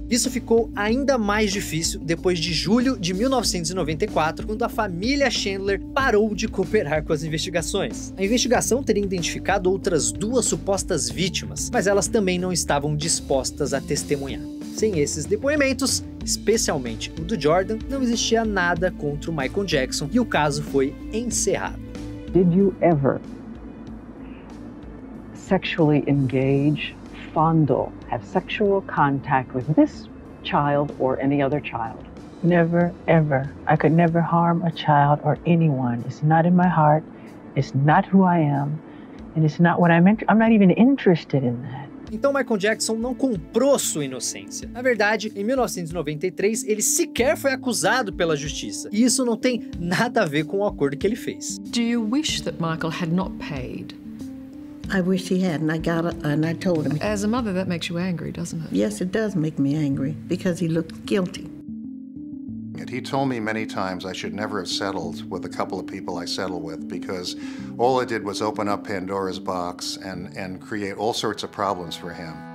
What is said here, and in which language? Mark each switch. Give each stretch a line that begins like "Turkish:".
Portuguese: Isso ficou ainda mais difícil depois de julho de 1994, quando a família Chandler parou de cooperar com as investigações. A investigação teria identificado outras duas supostas vítimas, mas elas também não estavam dispostas a testemunhar. Sem esses depoimentos, especialmente o do Jordan, não existia nada contra o Michael Jackson e o caso foi encerrado.
English: Did you ever sexually engage, fondle, have sexual contact with this child or any other child? Never, ever. I could never harm a child or anyone. It's not in my heart. It's not who I am. And it's not what I'm not even interested in that.
Portuguese: Então Michael Jackson não comprou sua inocência. Na verdade, em 1993, ele sequer foi acusado pela justiça. E isso não tem nada a ver com o acordo que ele fez.
English: Do you wish that Michael had not paid? I wish he had, and I got it, and I told him. As a mother, that makes you angry, doesn't it? Yes, it does make me angry, because he looked guilty. He told me many times I should never have settled with a couple of people I settled with because all it did was open up Pandora's box and create all sorts of problems for him.